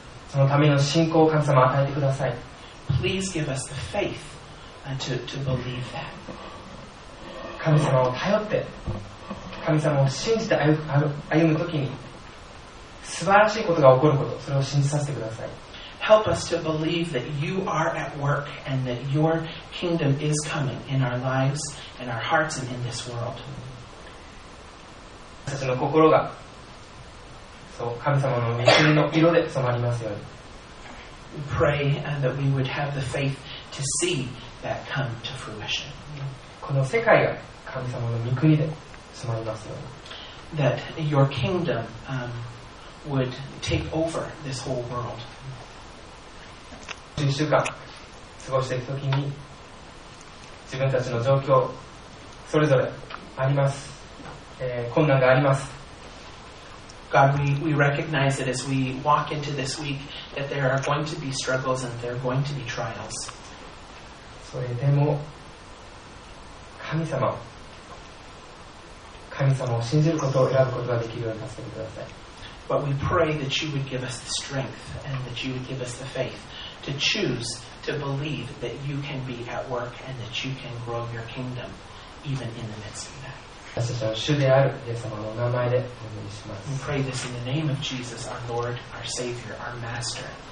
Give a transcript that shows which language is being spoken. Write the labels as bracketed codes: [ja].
[ja] そのための信仰を神様与えてください。 [en] Please give us the faith to believe that. [ja] 神様を頼って、神様を信じて歩むときに、素晴らしいことが起こること、それを信じさせてください。 [en] Help us to believe that you are at work and that your kingdom is coming in our lives, in our hearts, and in this world. [ja] 私たちの心が、そう、神様の御国の色で染まりますように。 [en] We pray that we would have the faith to see that come to fruition. [ja] この世界が神様の御国で染まりますように。 [en] That your kingdom would take over this whole world. [ja] 1週間過ごしていくときに、自分たちの状況それぞれあります、困難があります。 [en] God, we recognize that as we walk into this week that there are going to be struggles and there are going to be trials. [ja] それでも神様を信じることを選ぶことができるように助けてください。 [en] But we pray that you would give us the strength and that you would give us the faithto choose to believe that you can be at work and that you can grow your kingdom even in the midst of that. [ja] 私たちは主であるイエス様のお名前でお祈りします。 [en] We pray this in the name of Jesus, our Lord, our Savior, our Master.